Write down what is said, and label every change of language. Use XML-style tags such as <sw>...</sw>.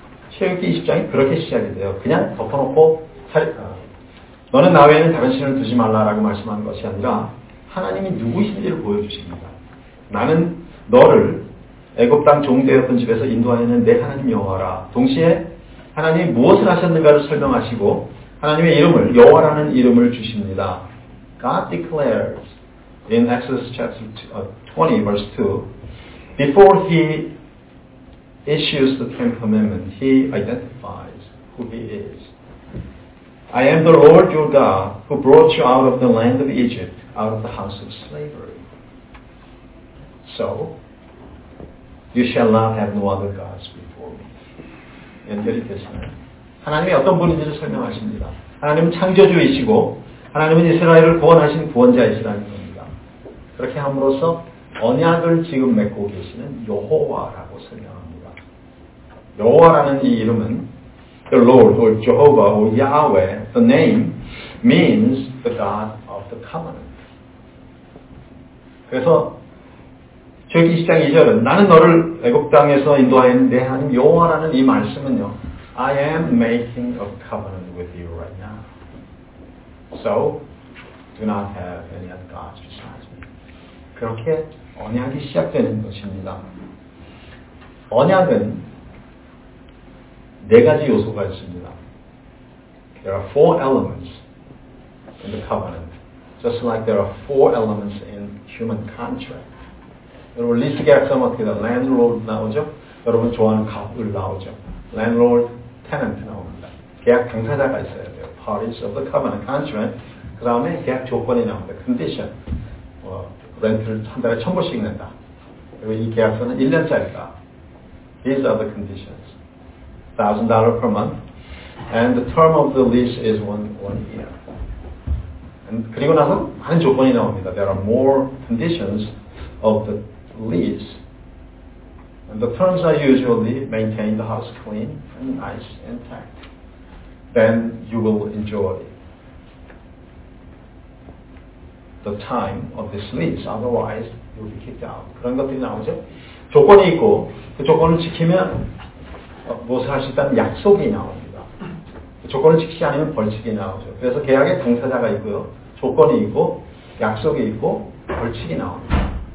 <ko>출애굽기 20장이 그렇게 시작이 돼요. 그냥 덮어놓고 너는 나 외에는 다른 신을 두지 말라라고 말씀하는 것이 아니라 하나님이 누구이신지를 보여주십니다. 나는 너를 애굽 땅 종되었던 집에서 인도하여낸 내 하나님 여호와라. 동시에 하나님이 무엇을 하셨는가를 설명하시고 하나님의 이름을 여호와라는 이름을 주십니다.</ko> <en>God declares in Exodus chapter 20 verse 2 before he issues the Ten Commandments, he identifies who he is. I am the Lord your God who brought you out of the land of Egypt, out of the house of slavery. So, you shall not have no other gods before me.</en> <ko>연결이 되시나요? 하나님이 어떤 분인지를 설명하십니다. 하나님은 창조주이시고 하나님은 이스라엘을 구원하신 구원자이시라는 겁니다. 그렇게 함으로써 언약을 지금 맺고 계시는 여호와라고 설명합니다. 여호와라는 이 이름은</ko> <en>The Lord or Jehovah or Yahweh, the name means the God of the covenant.</en> <ko>그래서 출애굽기 20장 2절은 나는 너를 애굽 땅에서 인도하여 내 하나님 여호와라는 이 말씀은요,</ko> <en>I am making a covenant with you right now. So, do not have any other gods besides me.</en> <ko>그렇게 언약이 시작되는 것입니다. 언약은 네 가지 요소가 있습니다.</ko> <en>There are four elements in the covenant. Just like there are four elements in human contract.</en> <ko>여러분, 리스 계약서는 어떻게 돼요? Landlord 나오죠? 여러분 좋아하는 갑을 나오죠? Landlord, tenant 나옵니다. 계약 당사자가 있어야 돼요.</ko> <en>Parties of the covenant, contract.</en> <ko>그 다음에 계약 조건이 나옵니다.</ko> <en>Condition.</en> <ko>뭐, 렌트를 한 달에 1000불씩 낸다. 그리고 이 계약서는 1년짜리다.</ko> <en>These are the conditions. $1,000 per month. And the term of the lease is one year.</en> <ko>그리고 나서 많은 조건이 나옵니다.</ko> <en>There are more conditions of the lease. And the terms are usually maintain the house clean and nice and intact. Then you will enjoy the time of this lease. Otherwise, you will be kicked out.</en> <ko>그런 것들이 나오죠. 조건이 있고 그 조건을 지키면 무엇을 할 수 있다는 약속이 나옵니다. 그 조건을 지키지 않으면 벌칙이 나오죠. 그래서 계약의 당사자가 있고요. 조건이 있고 약속이 있고 벌칙이 나옵니다.</ko>